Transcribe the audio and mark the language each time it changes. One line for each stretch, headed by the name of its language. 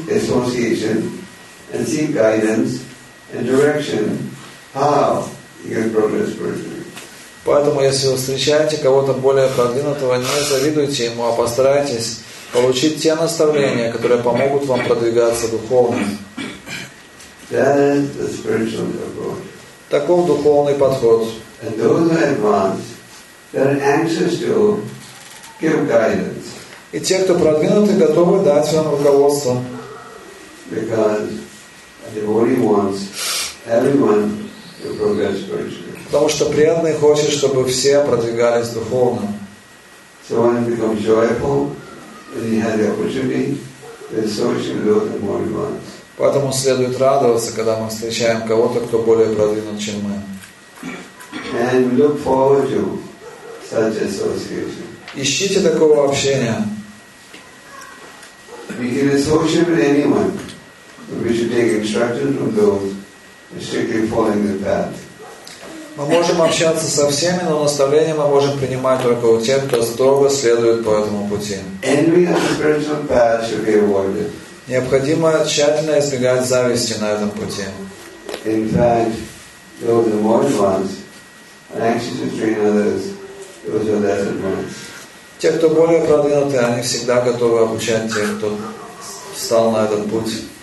English: And seek guidance and direction how you can progress spiritually.
Russian: Поэтому, если вы встречаете кого-то более продвинутого, не завидуйте ему, а постарайтесь получить те наставления, которые помогут вам продвигаться духовно.
English: That is the spiritual approach.
Russian: Таков духовный подход.
English: And those who advance, they are anxious to give guidance.
Russian: И те, кто продвинутый, готовы дать вам руководство.
English: Because devotee wants everyone to progress spiritually.
Russian: Потому что преданный хочет, чтобы все продвигались духовно.
English: So when he becomes joyful, when he has the opportunity, then so should do the more advanced.
Russian: Поэтому следует радоваться, когда мы встречаем кого-то, кто более продвинут, чем мы.
English: And we look forward to such association.
Russian: Ищите такого общения.
English: We can associate with anyone. We should take instructions from those strictly following the path.
Russian: Мы можем общаться со всеми, но наставления мы можем принимать только у тех, кто строго следует по этому пути.
English: Envy on the spiritual path should be avoided.
Russian: Необходимо тщательно избегать зависти на этом пути.
English: In fact, those who are more advanced are anxious to train others. Those who are less advanced.
Russian: Те, кто более продвинуты, они всегда готовы обучать тех, кто встал на этот путь.